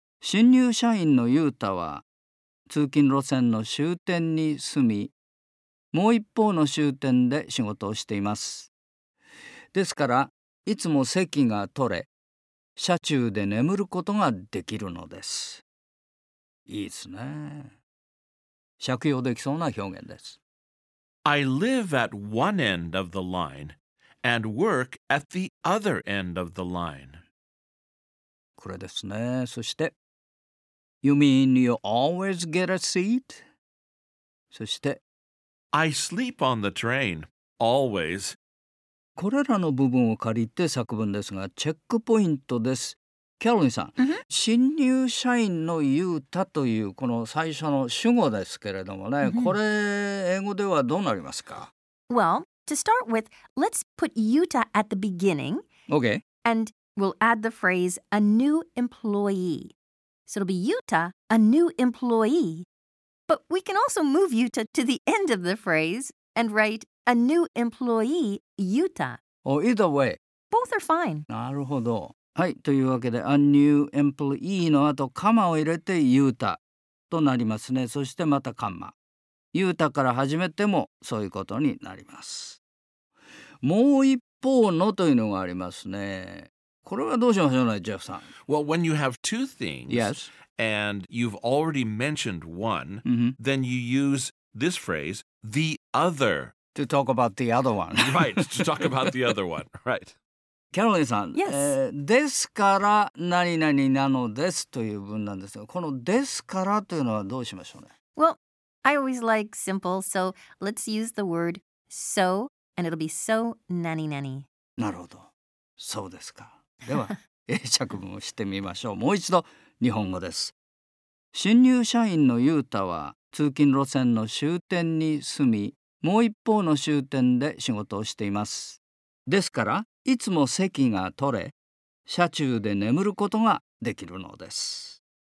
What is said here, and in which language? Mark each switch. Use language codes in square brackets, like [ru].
[ja] 新入社員のユータは、通勤路線の終点に住み、もう一方の終点で仕事をしています。ですから、いつも席が取れ、車中で眠ることができるのです。いいですね。借用できそうな表現です。 [en] I live at one end of the line and work at the other end of the line. [ja] これですね。そして、 [en] You mean you always get a seat? [ja] そして、 [en] I sleep on the train, always. [ja] これらの部分を借りて作文ですが、チェックポイントです。キャロリンさん、新入社員のユータというこの最初の主語ですけれどもね、これ英語ではどうなりますか? [en] Well, to start with, let's put Yuta at the beginning. Okay. And we'll add the phrase, a new employee. So it'll be Yuta, a new employee. But we can also move Yuta to the end of the phrase and write a new employee, Yuta. Oh, either way. Both are fine. [ja] なるほど。はい、というわけで、 [en] a new employee [ja] の後、カマを入れて Yuta となりますね。そしてまたカマ。 Yuta から始めてもそういうことになります。もう一方のというのがありますね。これはどうしましょうね、ジェフさん。 [en] Well, when you have two things, yes. and you've already mentioned one,、 mm-hmm. then you use this phrase, the other. To talk about the other one. Right, to talk about the other one, right. [ja] キャロリンさん、 [en] yes. [ja] ですから何々なのですという文なんですが、このですからというのはどうしましょうね。 [en] Well, I always like simple, so let's use the word so, and it'll be so [ja] 何々。なるほど。そうですか。では、英釈文をしてみましょう。もう一度、日本語です。新入社員のユータは、通勤路線の終点に住み、もう一方の終点で仕事をしています。ですから、いつも席が取れ、車中で眠ることができるのです。